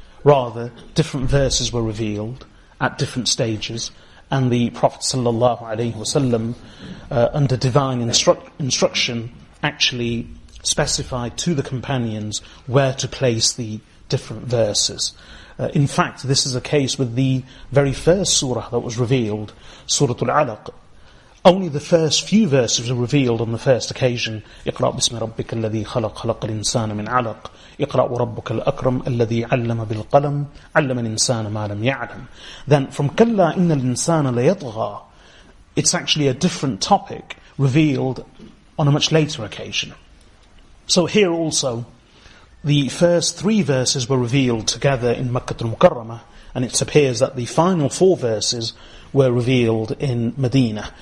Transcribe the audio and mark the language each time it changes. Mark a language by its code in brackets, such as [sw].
[en] Rather, different verses were revealed at different stages, and the Prophet sallallahu alaihi wasallam, under divine instruction, actually specified to the companions where to place the different verses. In fact, this is a case with the very first surah that was revealed, Surah Al-Alaq. Only the first few verses are revealed on the first occasion. [ar] اقرأ بسم ربك الذي خلق خلق الإنسان من علق اقرأ وربك الأكرم الذي علم بالقلم علم الإنسان ما لم يعلم. [en] Then from [ar] كلا إن الإنسان ليطغى, [en] it's actually a different topic revealed on a much later occasion. So here also, the first three verses were revealed together in Makkah al-Mukarramah, and it appears that the final four verses were revealed in Medina.